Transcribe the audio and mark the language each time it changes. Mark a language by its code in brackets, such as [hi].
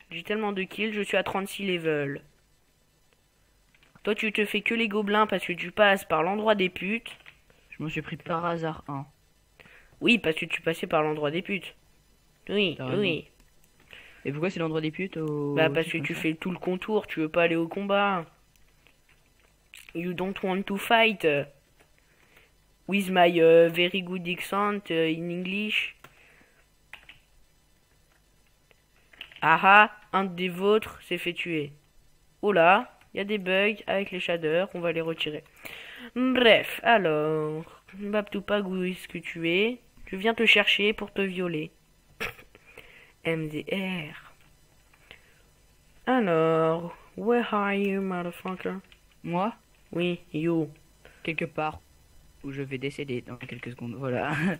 [fr] J'ai tellement de kills, je suis à 36 levels. Toi, tu te fais que les gobelins parce que tu passes par l'endroit des putes. Je m'en suis pris par hasard, hein. Oui, parce que tu passais par l'endroit des putes. Oui, t'as oui. Raison. Et pourquoi c'est l'endroit des putes ou... Bah, parce que tu fais tout le contour, tu veux pas aller au combat. [en] You don't want to fight. With my very good accent in English. [fr] Aha, un des vôtres s'est fait tuer. Oula, il y a des bugs avec les shaders, on va les retirer. Bref, alors, bap tout pas où est-ce que tu es. Je viens te chercher pour te violer. MDR. Alors, [en] where are you, motherfucker? [fr] Moi? Oui, you. Quelque part. Où je vais décéder dans quelques secondes, voilà.